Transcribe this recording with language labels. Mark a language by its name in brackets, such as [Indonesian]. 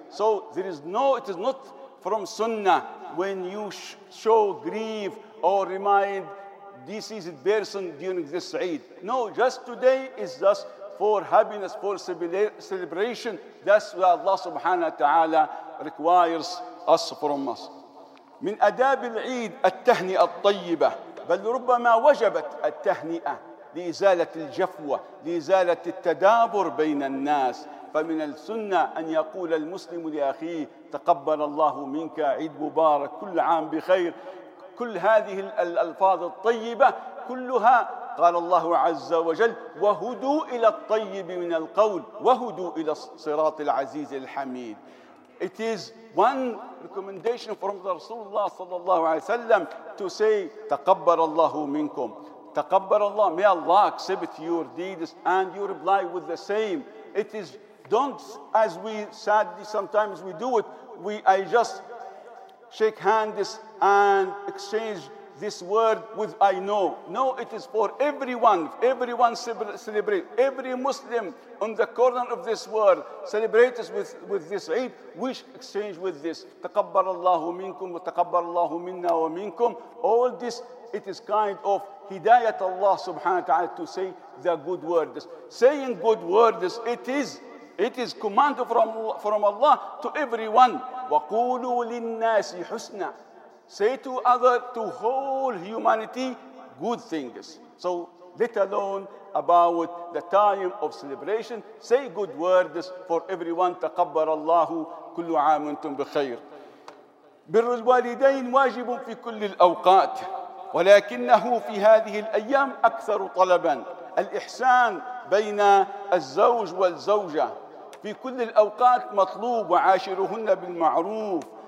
[English] So there is no, it is not from sunnah when you show grief or remind deceased person during this Eid. No, just today is just for happiness, for celebration. That's what Allah subhanahu wa ta'ala requires us from us. [Arabic] من أداب العيد التهنئة الطيبة بل ربما وجبت التهنئة لإزالة الجفوة لإزالة التدابر بين الناس. فمن السنة أن يقول المسلم لأخيه تقبل الله منك, عيد مبارك, كل عام بخير. كل هذه الألفاظ الطيبة كلها قال الله عز وجل وهدوا إلى الطيب من القول وهدوا إلى صراط العزيز الحميد. [English] It is one recommendation from the Rasulullah [Arabic] صلى الله عليه وسلم [English] to say [Arabic] تقبل الله منكم, تقبل الله, [English] may Allah accept your deeds and you reply with the same. It is, don't, as we sadly sometimes we do it, I just shake hands and exchange this word with I know. No, it is for everyone. Everyone celebrate. Every Muslim on the corner of this world celebrates with this Eid. We exchange with this. [Arabic] تقبل الله منكم وتقبل الله منا ومنكم. [English] All this, it is kind of hidayat Allah subhanahu wa ta'ala to say the good words. Saying good words, it is command from Allah to everyone. [Arabic] وَقُولُوا لِلنَّاسِ حُسْنًا. [English] Say to other, to whole humanity, good things. So let alone about the time of celebration, say good words for everyone. [Arabic] تقبل الله كل عام وانتم بخير. بر الوالدين واجب في كل الأوقات ولكنه في هذه الأيام أكثر طلبا. الإحسان بين الزوج والزوجة في كل الأوقات مطلوب, وعاشرهن بالمعروف.